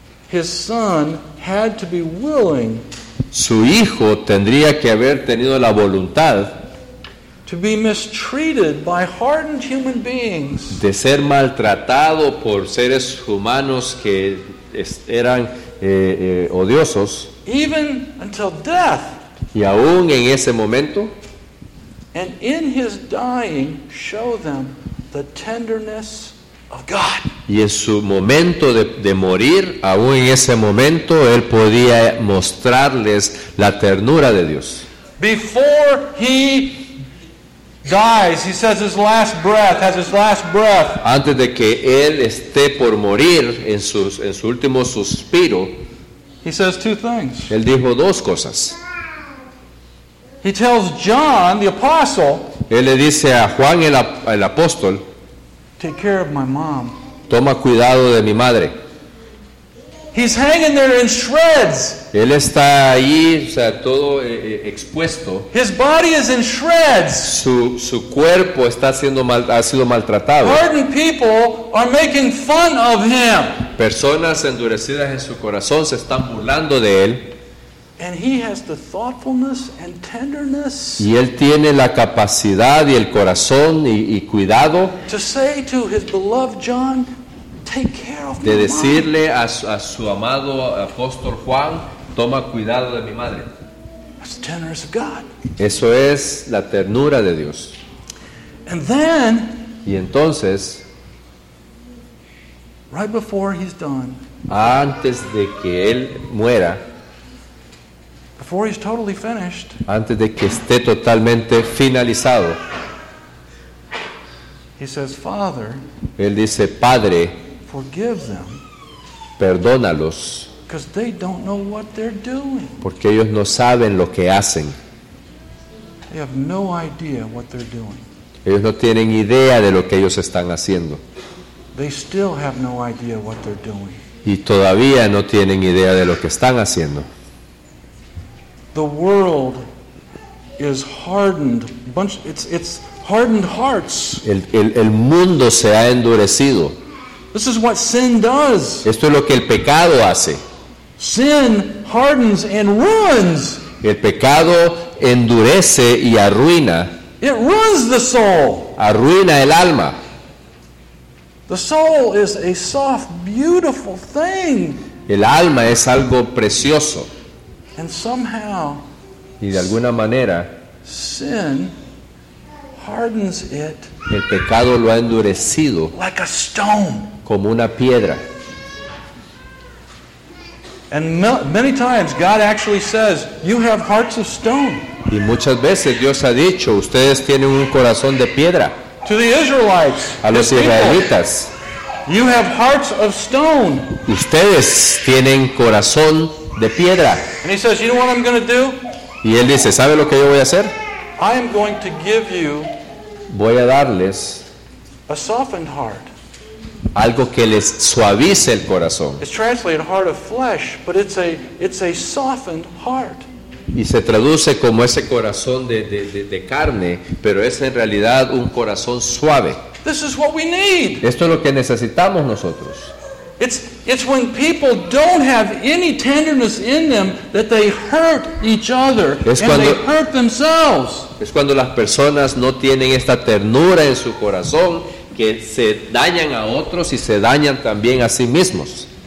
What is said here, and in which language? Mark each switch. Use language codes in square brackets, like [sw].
[en] his son had to be willing, [es] su hijo tendría que haber tenido la voluntad, [en] to be mistreated by hardened human beings, [es] de ser maltratado por seres humanos que eran odiosos, [en] even until death, [es] y aún en ese momento. [en] And in his dying, show them the tenderness of God. [es] Y en su momento de morir, aún en ese momento, él podía mostrarles la ternura de Dios. [en] Before he dies, he says his last breath, has his last breath. [es] Antes de que él esté por morir en su último suspiro, [en] he says two things. [es] Él dijo dos cosas. [en] He tells John, the apostle, [es] él le dice a Juan el apóstol, [en] "Take care of my mom." [es] Toma cuidado de mi madre. [en] He's hanging there in shreds. [es] Él está ahí, o sea, todo expuesto. [en] His body is in shreds. [es] Su cuerpo está siendo ha sido maltratado. [en] Hardened people are making fun of him. [es] Personas endurecidas en su corazón se están burlando de él. [en] And he has the thoughtfulness and tenderness. [es] Y él tiene la capacidad y el corazón y cuidado. [en] To say to his beloved John, "Take care of my mom." [es] De decirle a su amado apóstol Juan, toma cuidado de mi madre. [en] That's the tenderness of God. [es] Eso es la ternura de Dios. [en] And then. [es] Y entonces. [en] Right before he's done. [es] Antes de que él muera. [en] Before he's totally finished, [es] antes de que esté totalmente finalizado, [en] he says, "Father," [es] él dice, "Padre, [en] forgive them, [es] perdónalos, [en] because they don't know what they're doing." [es] Porque ellos no saben lo que hacen. [en] They have no idea what they're doing. [es] Ellos no tienen idea de lo que ellos están haciendo. [en] They still have no idea what they're doing. [es] Y todavía no tienen idea de lo que están haciendo. [en] The world is hardened. It's hardened hearts. [es] El mundo se ha endurecido. [en] This is what sin does. [es] Esto es lo que el pecado hace. [en] Sin hardens and ruins. [es] El pecado endurece y arruina. [en] It ruins the soul. [es] Arruina el alma. [en] The soul is a soft, beautiful thing. [es] El alma es algo precioso. [en] And somehow, [es] y de alguna manera, [en] sin hardens it. [es] El pecado lo ha endurecido, [en] like a stone, [es] como una piedra. [en] And many times God actually says, "You have hearts of stone." [es] Y muchas veces Dios ha dicho, ustedes tienen un corazón de piedra. [en] To the Israelites, [es] a los israelitas, [en] people, "You have hearts of stone." [es] Ustedes tienen corazón de piedra. [en] And he says, "You know what I'm going to do?" [es] Y él dice, ¿sabe lo que yo voy a hacer? [en] "I am going to give you," [es] voy a darles, [en] "a softened heart." [es] Algo que les suavice el corazón. [en] It's translated heart of flesh, but it's a softened heart. [es] Y se traduce como ese corazón de carne, pero es en realidad un corazón suave. [en] This is what we need. [es] Esto es lo que necesitamos nosotros. [en] It's when people don't have any tenderness in them that they hurt each other and they hurt themselves. [es] Es cuando las personas no tienen esta ternura en su corazón que se dañan a otros y se dañan también a sí mismos.